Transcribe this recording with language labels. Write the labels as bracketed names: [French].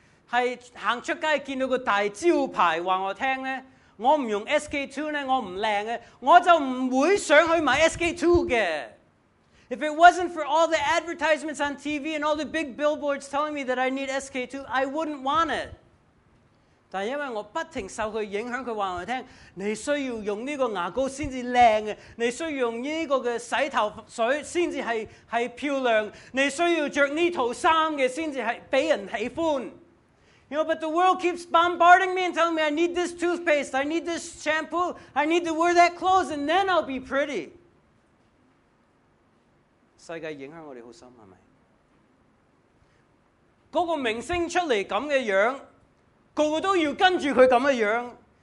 [Cantonese] 是走出街看到个大招牌告诉我听呢，我不用 SK2 呢，我不靓，我就不会想去买 SK2 的。 [English] If it wasn't for all the advertisements on TV and all the big billboards telling me that I need SK2, I wouldn't want it. [Cantonese] 但因为我不停受他影响，他告诉我听你需要用这个牙膏才是靓，你需要用这个洗头水才 是漂亮，你需要穿这套衣服才是被人喜欢。 [English] You know, but the world keeps bombarding me and telling me I need this toothpaste, I need this shampoo, I need to wear that clothes, and then I'll be pretty. [Cantonese] 世界影响我哋好深，系咪？嗰个明星出嚟咁嘅样，个个都要跟住佢咁嘅样。